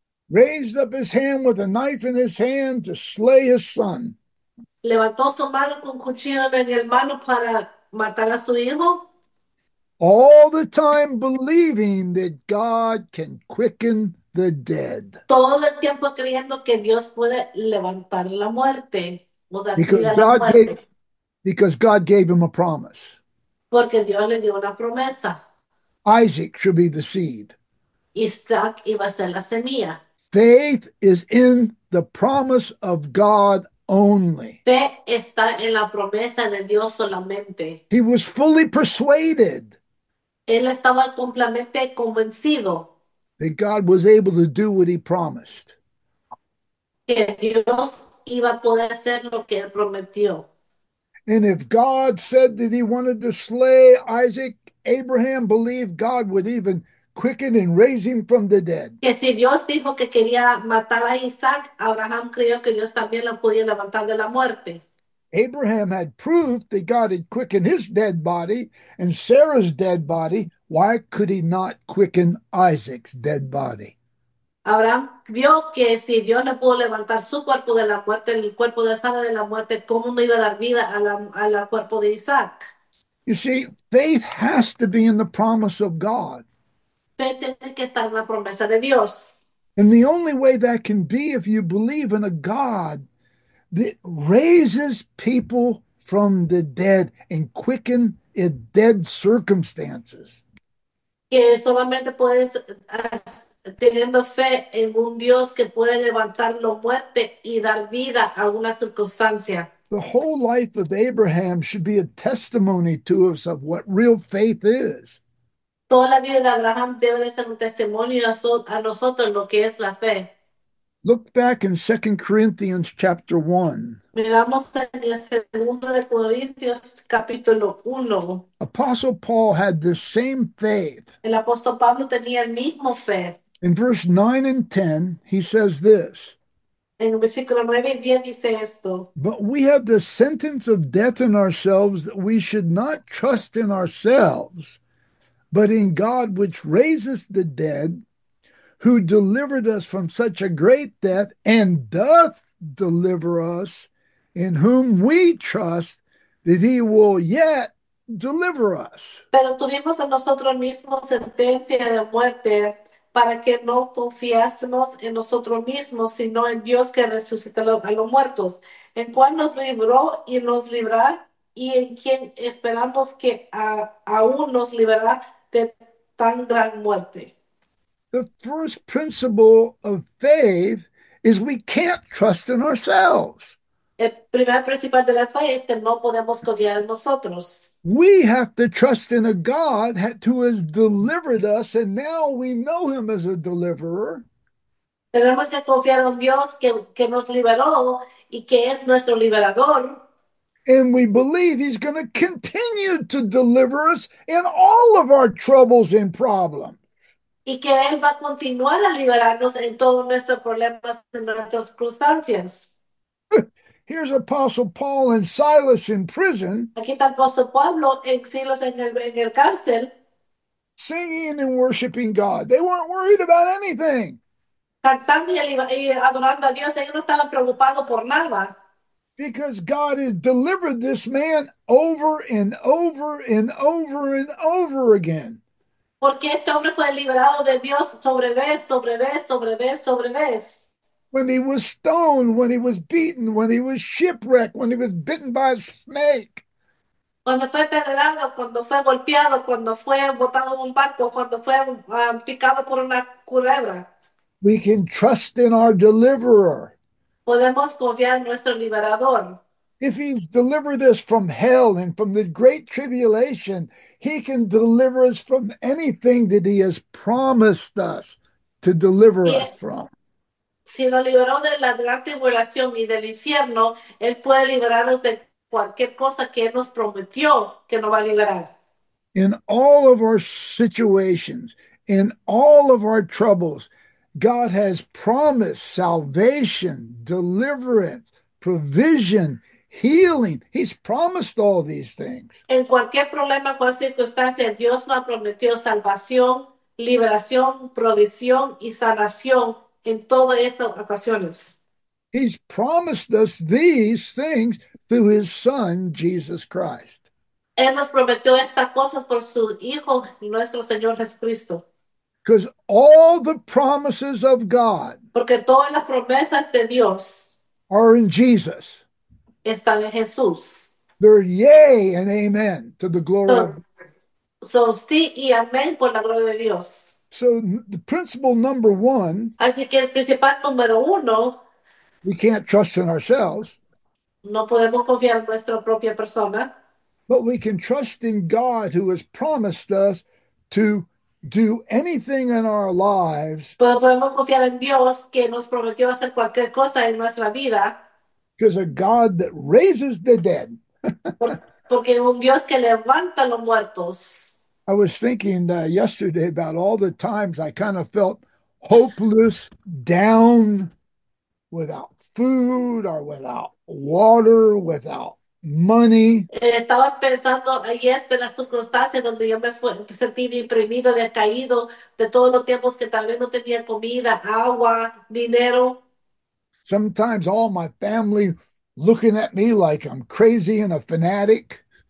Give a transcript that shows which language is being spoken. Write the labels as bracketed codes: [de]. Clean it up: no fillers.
[en] Raised up his hand with a knife in his hand to slay his son. [es] Levantó su mano con cuchillo en el mano para matar a su hijo. [en] All the time believing that God can quicken the dead. [es] Todo el tiempo creyendo que Dios puede levantar la muerte o dar [en] Because [es] vida a la muerte. [en] God gave him a promise. [es] Porque Dios le dio una promesa. [en] Isaac should be the seed. [es] Isaac iba a ser la semilla. [en] Faith is in the promise of God only. [es] Fe está en la promesa de Dios solamente. [en] He was fully persuaded [es] Él estaba completamente convencido [en] that God was able to do what he promised. [es] que Dios iba a poder hacer lo que él prometió. [en] And if God said that he wanted to slay Isaac, Abraham believed God would even quicken and raise him from the dead. [es] Que si Dios dijo que quería matar a Isaac, Abraham creyó que Dios también lo podía levantar de la muerte. [en] Abraham had proof that God had quickened his dead body and Sarah's dead body. Why could he not quicken Isaac's dead body? [es] Abraham vio que si Dios le pudo levantar su cuerpo de la muerte, el cuerpo de Sara de la muerte, ¿cómo no iba a dar vida a la cuerpo de Isaac? [en] You see, faith has to be in the promise of God. [es] Fe tiene que estar en la promesa de Dios. [en] And the only way that can be if you believe in a God that raises people from the dead and quicken in dead circumstances. [es] Que solamente puedes teniendo fe en un Dios que puede levantar la muerte y dar vida a una circunstancia. [en] The whole life of Abraham should be a testimony to us of what real faith is. [es] Toda la vida de Abraham debe de ser un testimonio a nosotros lo que es la fe. [en] Look back in 2 Corinthians chapter 1. [es] Miramos en el segundo de Corintios, capítulo 1. [en] Apostle Paul had the same faith. [es] El apóstol Pablo tenía el mismo fe. [en] In verse 9 and 10, he says this. [es] En el versículo 9 y 10 dice esto. [en] But we have the sentence of death in ourselves that we should not trust in ourselves, but in God which raises the dead, who delivered us from such a great death and doth deliver us, in whom we trust that he will yet deliver us. [es] Pero tuvimos en nosotros mismos sentencia de muerte para que no confiásemos en nosotros mismos, sino en Dios que resucitó a los muertos, en cual nos libró y nos librará, y en quien esperamos que aún nos librará de tan gran muerte. [en] The first principle of faith is we can't trust in ourselves. [es] El primer principal de la fe es que no podemos confiar en nosotros. [en] We have to trust in a God who has delivered us, and now we know him as a deliverer. [es] Tenemos que confiar en Dios que nos liberó y que es nuestro liberador. [en] And we believe he's going to continue to deliver us in all of our troubles and problems. [es] Y que Él va a continuar a liberarnos en todos nuestros problemas, en nuestras circunstancias. [en] Here's Apostle Paul and Silas in prison, [es] Aquí está el apóstol Pablo en Silos en el cárcel. [en] singing and worshiping God. They weren't worried about anything. [es] Cantando y adorando a Dios, ellos no estaban preocupados por nada. [en] Because God has delivered this man over and over and over and over again. [es] Porque este hombre fue liberado de Dios sobre vez, sobre vez, sobre vez, sobre vez. [en] When he was stoned, when he was beaten, when he was shipwrecked, when he was bitten by a snake. [es] Cuando fue apedreado, cuando fue golpeado, cuando fue botado en un barco, cuando fue picado por una culebra. [en] We can trust in our deliverer. [es] Podemos confiar en nuestro liberador. [en] If he's delivered us from hell and from the great tribulation, he can deliver us from anything that he has promised us to deliver us from. [es] Si nos liberó de la gran tribulación y del infierno, Él puede liberarnos de cualquier cosa que Él nos prometió que nos va a liberar. [en] In all of our situations, in all of our troubles, God has promised salvation, deliverance, provision, healing. He's promised all these things. [es] En cualquier problema, cualquier circunstancia, Dios nos ha prometido salvación, liberación, provisión y sanación en todas esas ocasiones. [en] He's promised us these things through his son, Jesus Christ. [es] Él nos prometió estas cosas por su Hijo, nuestro Señor Jesucristo. [en] Because all the promises of God [es] Porque todas las promesas de Dios [en] are in Jesus. [es] están en Jesús. [en] They're yay and amen to the glory of God. [es] So sí y amén por la gloria de Dios. [en] So the principle number one, [es] Así que el principal número uno, [en] we can't trust in ourselves, [es] no podemos confiar en nuestra propia persona. [en] but we can trust in God who has promised us to do anything in our lives. [es] Pero podemos confiar en Dios que nos prometió hacer cualquier cosa en nuestra vida. [en] Because a God that raises the dead. [es] Porque un Dios que levanta los muertos. [en] I was thinking yesterday about all the times I kind of felt hopeless, down, without food or without water, without money. [es] Estaba pensando ayer de las circunstancias donde yo me sentí deprimido, decaído, de todos los tiempos que tal vez no tenía comida, agua, dinero. [en] Sometimes all my family looking at me like I'm crazy and a fanatic.